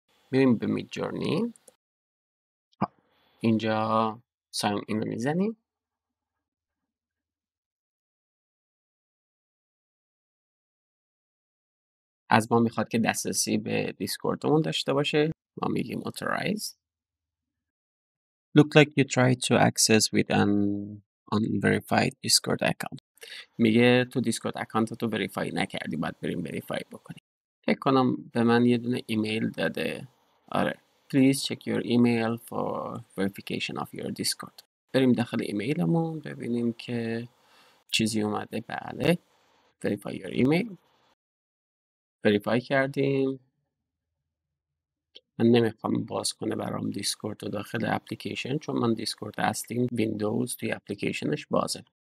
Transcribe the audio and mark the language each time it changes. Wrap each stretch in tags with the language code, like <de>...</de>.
<fa>میریم به میدجورنی، اینجا ساین این رو میزنیم، از ما میخواد که دسترسی به دیسکوردمون داشته باشه، ما میگیم authorize.</fa> <en>Look like you tried to access with an unverified Discord account.</en> <fa>میگه تو دیسکورد اکانت تو وریفای نکردی، باید بریم وریفای بکنیم. فکر کنم به من یه دونه ایمیل داده. آره.</fa> <en>Please check your email for verification of your Discord.</en> <fa>بریم داخل ایمیلمون ببینیم که چیزی اومده.</fa> <en>بله. Verify your email.</en> <fa>Verify کردیم. من نمیخوام باز کنه برام دیسکورد و داخل اپلیکیشن، چون من دیسکورد هستیم ویندوز توی اپلیکیشنش بازه.</fa>